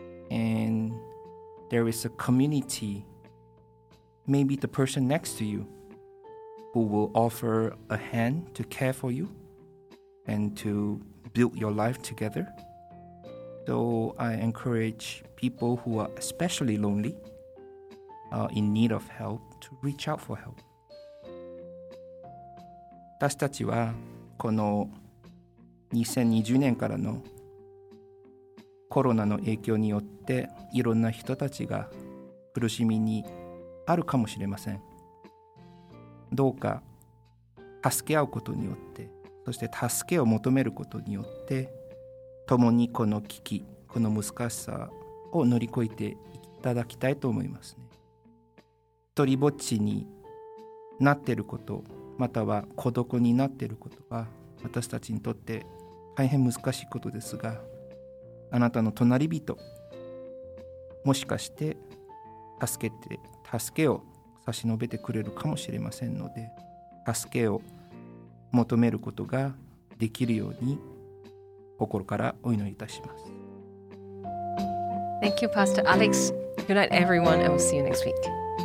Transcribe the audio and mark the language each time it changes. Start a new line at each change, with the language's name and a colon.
English: And there is a community, maybe the person next to you, who will offer a hand to care for you and to build your life together. So I encourage people who are especially lonely, in need of help, to reach out for help.
Japanese: 私たちはこの2020年からのコロナの影響によっていろんな人たちが苦しみにあるかもしれません。どうか助け合うことによって、そして助けを求めることによって、共にこの危機、この難しさを乗り越えていただきたいと思いますね。一人ぼっちになっていること、または孤独になっていることは、私たちにとって大変難しいことですが、あなたの隣人、もしかして助けを差し伸べてくれるかもしれませんので、助けを求めることができるように心からお祈りいたします。
English: Thank you Pastor Alex. Good night everyone, and we'll see you next week.